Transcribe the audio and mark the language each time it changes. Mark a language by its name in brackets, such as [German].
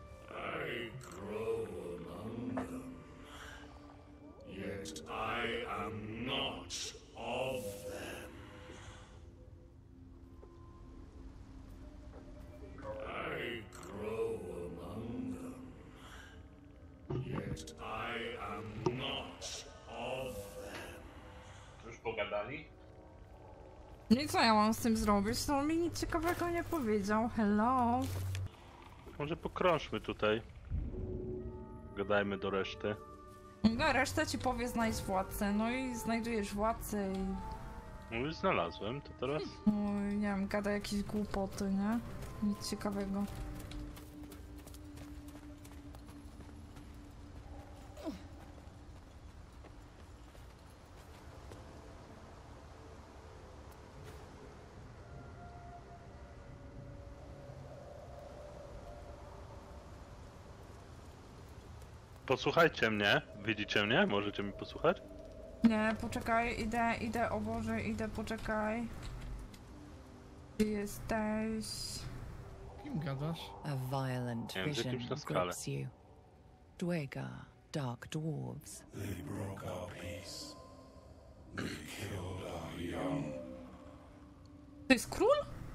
[English] I grow among them, yet I am not of them. I grow among them, yet I am not of them. [Polish] zabrali? No i co ja mam z tym zrobić? No mi nic ciekawego nie powiedział. [English] Hello? [Polish] Może pokrążmy tutaj. Gadajmy do reszty. No reszta ci powie znajdź władcę. No i znajdujesz władcę i... No już znalazłem to teraz. Oj, nie wiem, gada jakieś głupoty, nie? Nic ciekawego. Posłuchajcie mnie. Widzicie mnie? Możecie mi posłuchać? Nie, poczekaj, idę, o Boże, idę, poczekaj. Ty jesteś... Kim gadasz? [English] A violent vision grips you. Dwegar, dark dwarves. They broke our peace. They killed our young. [Polish] To jest król?